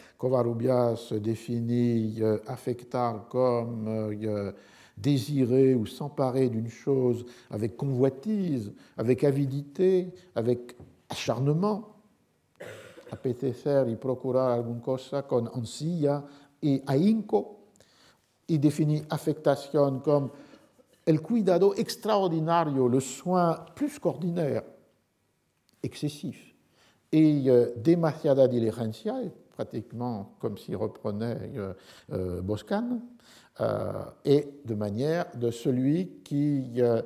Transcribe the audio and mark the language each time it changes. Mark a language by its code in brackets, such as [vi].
[fr] Covarrubias définit affectar comme désirer ou s'emparer d'une chose avec convoitise, avec avidité, avec acharnement. [es] Apetecer y procurar alguna cosa con ansia y ahínco. [fr] Il définit affectación comme [es] el cuidado extraordinario, [fr] le soin plus qu'ordinaire, excessif, et [es] demasiada diligencia, [fr] pratiquement comme s'il reprenait Boscan, et de manière de celui qui